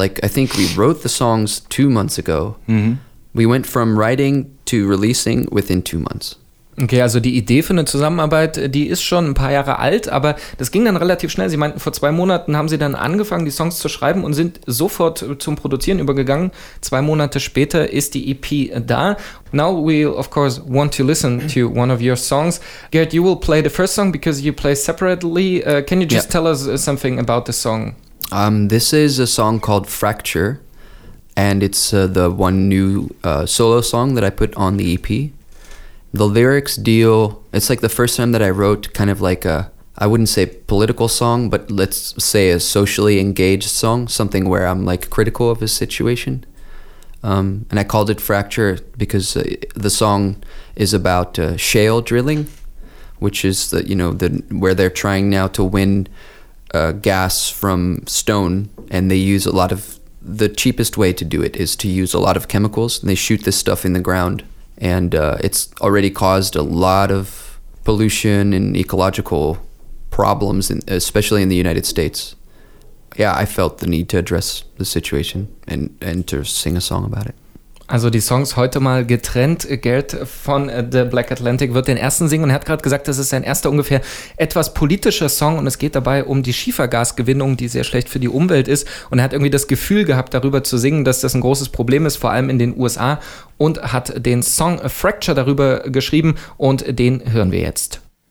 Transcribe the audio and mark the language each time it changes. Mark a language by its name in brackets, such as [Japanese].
[English] Like, I think we wrote the songs 2 months ago. Mm-hmm. We went from writing to releasing within 2 months. [German] Okay, also die Idee für eine Zusammenarbeit, die ist schon ein paar Jahre alt, aber das ging dann relativ schnell. Sie meinten, vor 2 Monaten haben sie dann angefangen, die Songs zu schreiben und sind sofort zum Produzieren übergegangen. 2 Monate später ist die EP da. [English] Now we, of course, want to listen to one of your songs. Gerd, you will play the first song because you play separately. Can you just tell us something about the song? This is a song called Fracture, and it's the one new solo song that I put on the EP. The lyrics deal, it's like the first time that I wrote kind of like a, I wouldn't say political song, but let's say a socially engaged song, something where I'm like critical of a situation. And I called it Fracture because the song is about shale drilling, which is where they're trying now to win gas from stone, and they use the cheapest way to do it is to use a lot of chemicals, and they shoot this stuff in the ground. And it's already caused a lot of pollution and ecological problems, especially in the United States. Yeah, I felt the need to address the situation and to sing a song about it. [German] Also die Songs heute mal getrennt. Gerd von The Black Atlantic wird den ersten singen und hat gerade gesagt, das ist sein erster ungefähr etwas politischer Song und es geht dabei um die Schiefergasgewinnung, die sehr schlecht für die Umwelt ist. Und er hat irgendwie das Gefühl gehabt, darüber zu singen, dass das ein großes Problem ist, vor allem in den USA, und hat den Song A Fracture darüber geschrieben und den hören wir jetzt.